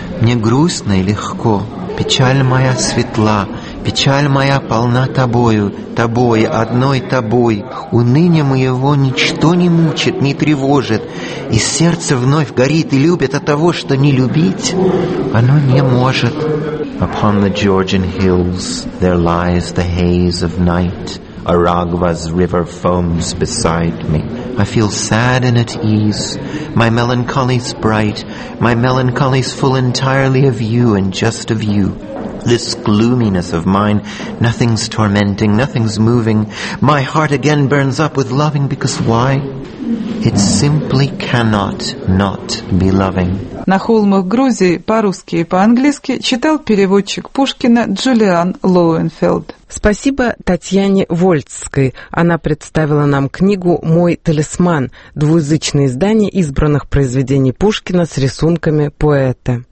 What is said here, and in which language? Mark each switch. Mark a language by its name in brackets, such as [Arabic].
[Russian] Мне грустно и легко, печаль моя светла. Печаль моя полна тобою, тобой, одной тобой. Уныние моего ничто не мучит, не тревожит. И сердце вновь горит и любит, от того, что не любить, оно не может. [English] Upon the Georgian hills there lies the haze of night. Aragva's river foams beside me. I feel sad and at ease. My melancholy's bright. My melancholy's full entirely of you and just of you. This gloominess of mine, nothing's tormenting, nothing's moving. My heart again burns up with loving, because why? It simply cannot not be loving. [Russian] «На холмах Грузии» по-русски и по-английски читал переводчик Пушкина Джулиан Лоуенфельд. Спасибо Татьяне Вольцкой. Она представила нам книгу «Мой талисман» – двуязычное издание избранных произведений Пушкина с рисунками поэта.